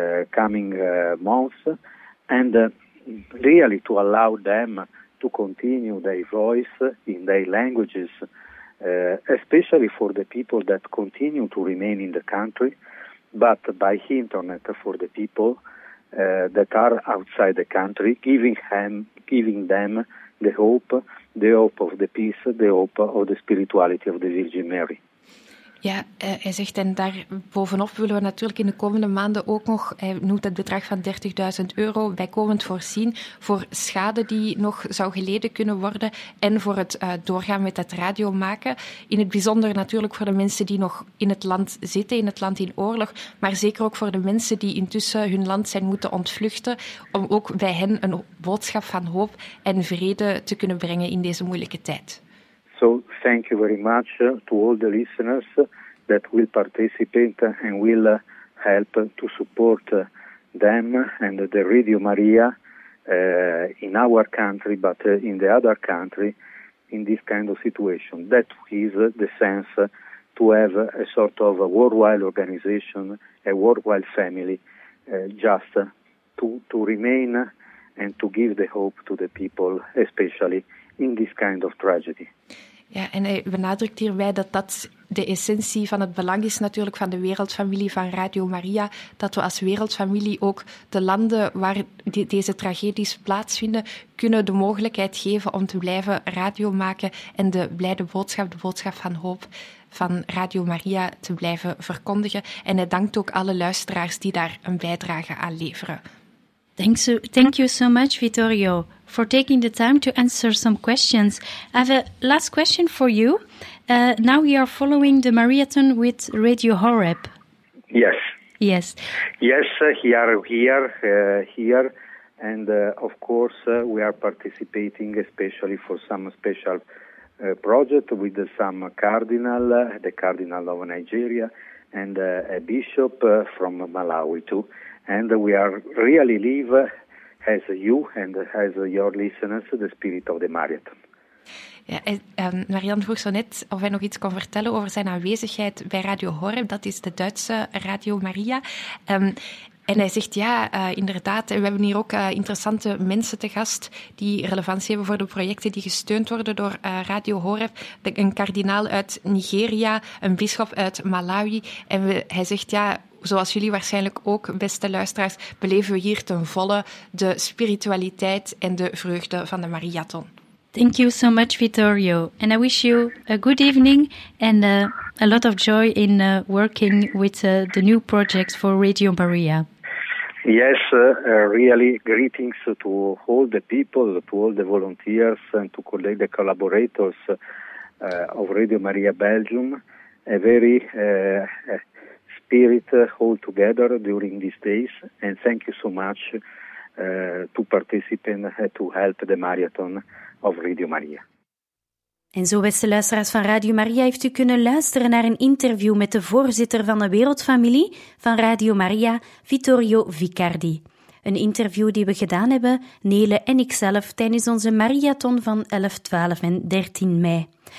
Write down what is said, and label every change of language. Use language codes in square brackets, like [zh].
[en] coming months, and really to allow them to continue their voice in their languages, especially for the people that continue to remain in the country, but by internet for the people that are outside the country, giving them the hope of the peace, the hope of the spirituality of the Virgin Mary. [nl] Ja, hij zegt, en daar bovenop willen we natuurlijk in de komende maanden ook nog, hij noemt het bedrag van €30,000 bijkomend voorzien voor schade die nog zou geleden kunnen worden en voor het doorgaan met het radio maken. In het bijzonder natuurlijk voor de mensen die nog in het land zitten, in het land in oorlog, maar zeker ook voor de mensen die intussen hun land zijn moeten ontvluchten, om ook bij hen een boodschap van hoop en vrede te kunnen brengen in deze moeilijke tijd. [en] So thank you very much to all the listeners that will participate and will help to support them and the Radio Maria in our country, but in the other country, in this kind of situation. That is the sense to have a sort of a worldwide organization, a worldwide family, just to remain and to give the hope to the people, especially in this kind of tragedy. [nl] Ja, en hij benadrukt hierbij dat dat de essentie van het belang is natuurlijk van de wereldfamilie van Radio Maria, dat we als wereldfamilie ook de landen waar deze tragedies plaatsvinden kunnen de mogelijkheid geven om te blijven radio maken en de blijde boodschap, de boodschap van hoop van Radio Maria te blijven verkondigen. En hij dankt ook alle luisteraars die daar een bijdrage aan leveren. [en] Thank you so much, Vittorio, for taking the time to answer some questions. I have a last question for you. Now we are following the marathon with Radio Horeb. Yes. Yes. Yes, here. And of course, we are participating especially for some special project with some cardinal, the cardinal of Nigeria, and a bishop from Malawi too. And we are really live as you and as your listeners, the spirit of the marathon. [nl] Ja, Marianne vroeg zo net of hij nog iets kon vertellen over zijn aanwezigheid bij Radio Horeb. Dat is de Duitse Radio Maria. En hij zegt ja, inderdaad. We hebben hier ook interessante mensen te gast die relevantie hebben voor de projecten die gesteund worden door Radio Horeb. Een kardinaal uit Nigeria, een bisschop uit Malawi. En hij zegt ja, zoals jullie waarschijnlijk ook, beste luisteraars, beleven we hier ten volle de spiritualiteit en de vreugde van de Mariathon. [en] Thank you so much, Vittorio. And I wish you a good evening and a lot of joy in working with the new project for Radio Maria. Yes, really, greetings to all the people, to all the volunteers and to the collaborators of Radio Maria Belgium. A very spirit all together during these days. And thank you so much to participate to help the Marathon of Radio Maria. [nl] En zo, beste luisteraars van Radio Maria, heeft u kunnen luisteren naar een interview met de voorzitter van de wereldfamilie van Radio Maria, Vittorio Vicardi. Een interview die we gedaan hebben, Nele en ikzelf, tijdens onze Mariathon van 11, 12 en 13 mei.